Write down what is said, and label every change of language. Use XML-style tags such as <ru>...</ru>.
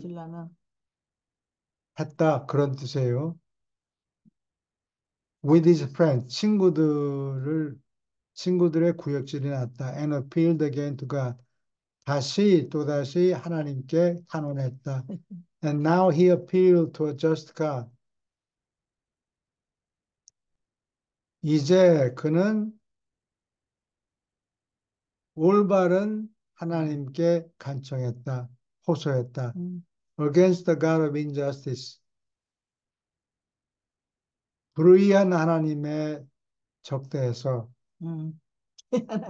<ko>질라나. 했다. 그런 뜻이에요.</ko> <en>With his friends,</en> <ko>친구들의 구역질이 났다.</ko> <en>And appealed again to God.</en> <ko>또다시 하나님께 탄원했다.</ko> <en>And now he appealed to a just God.</en> <ko>이제 그는 올바른 하나님께 간청했다. 호소했다.</ko> <en>Against the God of injustice.</en> <ko>불의한 하나님의 적대에서, 예.</ko>